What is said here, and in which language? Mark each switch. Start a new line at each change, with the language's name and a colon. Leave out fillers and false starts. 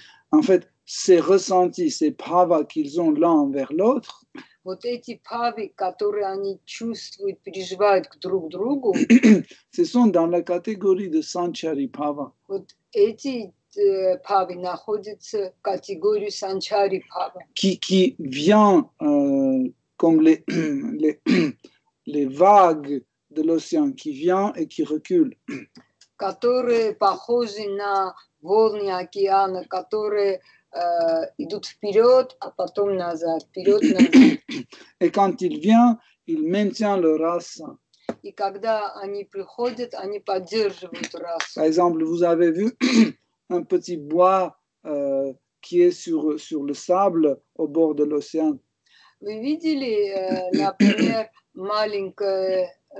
French: En fait, ces ressentis, ces bhavas qu'ils ont l'un envers l'autre.
Russian: Вот эти бхавы, которые они чувствуют, переживают к друг другу.
French: Ce sont dans la catégorie de Sanchari bhava.
Russian: Вот эти бхавы находятся в категории Sanchari bhava.
French: Qui vient comme les vagues de l'océan qui vient et qui recule.
Russian: Которые похожи на волны океана, которые идут вперед, а потом назад, вперед, назад.
French: Et quand il vient, il maintient le race.
Russian: И когда они приходят, они поддерживают расу.
French: Par exemple, vous avez vu un petit bois qui est sur le sable au bord de l'océan.
Russian: Вы видели, например, маленькое